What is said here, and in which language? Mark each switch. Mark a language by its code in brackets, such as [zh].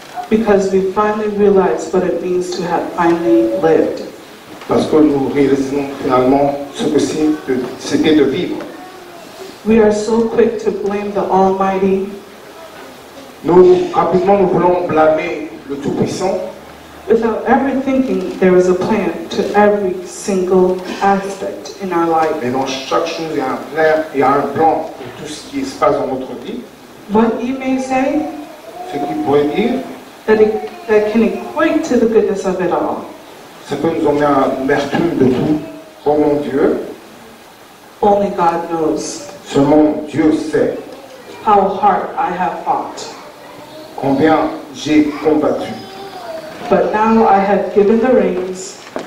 [en] Because we finally realize what it means to have finally lived. [fr] Parce que nous réalisons finalement ce que c'était de vivre. [en] We are so quick to blame the Almighty. [fr] Nous, rapidement, nous voulons blâmer le Tout-Puissant. [en] Without ever thinking, there is a plan to every single aspect in our life. [fr] Mais dans chaque chose, il y a un plan pour tout ce qui se passe dans notre vie. [en] What he may say, [fr] ce qu'il pourrait dire, [en] that can equate to the goodness of it all. [fr] Ça peut nous emmener à l'amertume de tout. Oh mon Dieu. [en] Only God knows. [fr] Seulement Dieu sait. [en] How hard I have fought. [fr] Combien j'ai combattu. [en] But now I have given the reins.